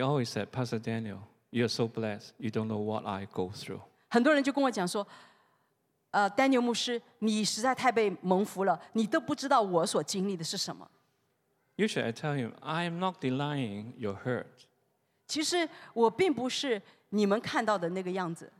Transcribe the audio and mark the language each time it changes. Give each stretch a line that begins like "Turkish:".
English: always said, Pastor Daniel, you're so blessed, you don't know what I go through.
Chinese: 很多人就跟我讲说, Daniel 牧师, 你实在太被蒙福了，你都不知道我所经历的是什么。
English: Usually I tell him, I am not denying your hurt.
Chinese: 其实我并不是你们看到的那个样子。